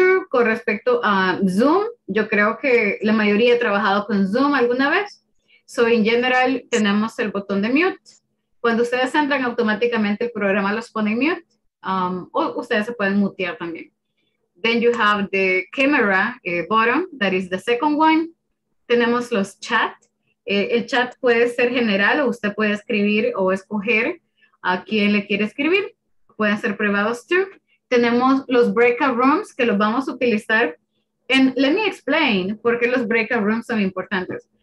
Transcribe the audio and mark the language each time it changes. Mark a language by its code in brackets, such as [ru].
[es] Con respecto a Zoom, yo creo que la mayoría ha trabajado con Zoom alguna vez. So, in general, tenemos el botón de mute. Cuando ustedes entran, automáticamente el programa los pone en mute. O ustedes se pueden mutear también. [en] Then you have the camera button, that is the second one. [es] Tenemos los chat. El chat puede ser general o usted puede escribir o escoger a quién le quiere escribir. Pueden ser privados too. Tenemos los breakout rooms que los vamos a utilizar. [en] And let me explain por qué los breakout rooms son importantes.